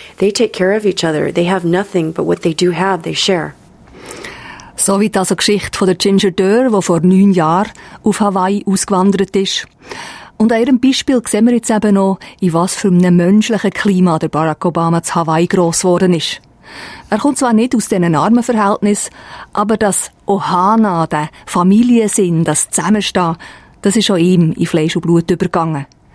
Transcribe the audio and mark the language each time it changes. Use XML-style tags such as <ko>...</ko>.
<en>They take care of each other. They have nothing, but what they do have, they share.</en> <de>So wie also die Geschichte von der Ginger Dörr, die vor 9 Jahren auf Hawaii ausgewandert ist. Und an ihrem Beispiel sehen wir jetzt eben noch, in was für einem menschlichen Klima der Barack Obama zu Hawaii gross geworden ist. Er kommt zwar nicht aus diesen armen Verhältnissen, aber das Ohana, der Familiensinn, das Zusammenstehen, das ist auch ihm in Fleisch und Blut übergegangen.</de>